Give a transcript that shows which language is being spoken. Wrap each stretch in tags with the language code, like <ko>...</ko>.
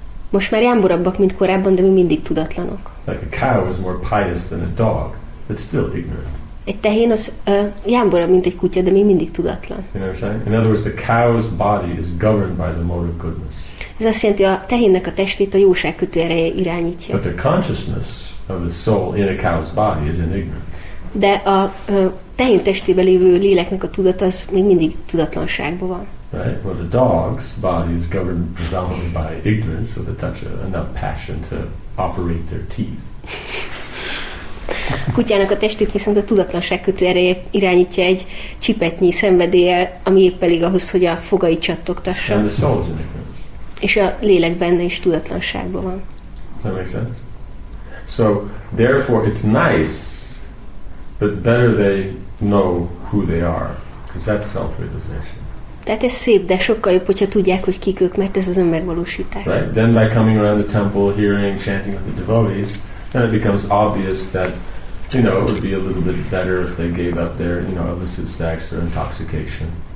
<hu>Most már jámborabbak, mint korábban, de mi mindig tudatlanok.</hu> <en>Like a cow is more pious than a dog, but still ignorant.</en> <hu>Egy tehén az jámborabb, mint egy kutya, de még mindig tudatlan.</hu> <en>You know what I'm saying? In other words, the cow's body is governed by the motive goodness.</en> <hu>Ez azt jelenti, hogy a tehénnek a testét a jóság kötő ereje irányítja.</hu> <en>But the consciousness of the soul in a cow's body is in ignorance.</en> <hu>De a tehén testében lévő léleknek a tudat az még mindig tudatlanságban van.</hu> <en>Right. Well, the dog's body is governed predominantly by ignorance, with a touch of enough passion to operate their teeth.</en> <hu>Kutyának a testét viszont a tudatlanság kötő ereje irányítja egy csipetnyi szenvedélye, ami épp elég ahhoz, hogy a fogai csattogtassa.</hu> <en>And the soul is in ignorance.</en> <hu>És a lélek benne is tudatlanságban van.</hu> <en>Does that make sense? So, therefore, it's nice, but better they know who they are, because that's self-realization.</en> <hu>Tehát ez szép, de sokkal jobb, hogyha tudják, hogy kik ők, mert ez az önmegvalósítás.</hu> <en>Right. Then by coming around the temple, hearing, chanting with the devotees, then it becomes obvious that, you know, it would be a little bit better if they gave up their, you know, illicit sex or intoxication.</en>